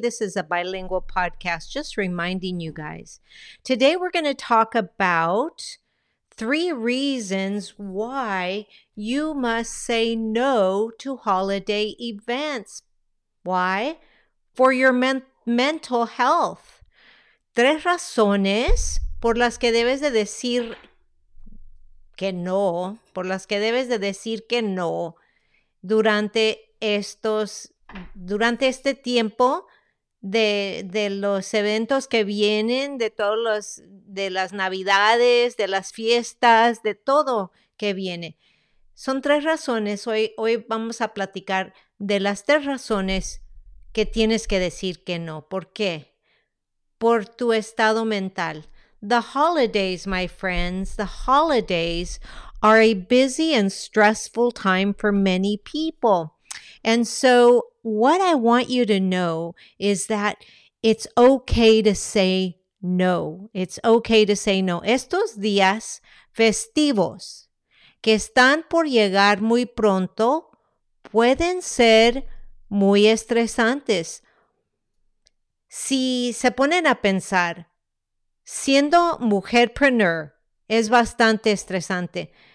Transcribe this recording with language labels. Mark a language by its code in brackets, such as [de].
[en] This is a bilingual podcast, just reminding you guys. Today, we're going to talk about three reasons why you must say no to holiday events. Why? For your mental health. [es] Tres razones por las que debes de decir que no, por las que debes de decir que no durante este tiempo de los eventos que vienen, de todos los, de las navidades, de las fiestas, de todo que viene. Son tres razones. Hoy vamos a platicar de las tres razones que tienes que decir que no. ¿Por qué? Por tu estado mental. [en] The holidays, my friends, the holidays are a busy and stressful time for many people. And so what I want you to know is that it's okay to say no. It's okay to say no. [es] Estos días festivos que están por llegar muy pronto pueden ser muy estresantes. Si se ponen a pensar, siendo mujerpreneur es bastante estresante.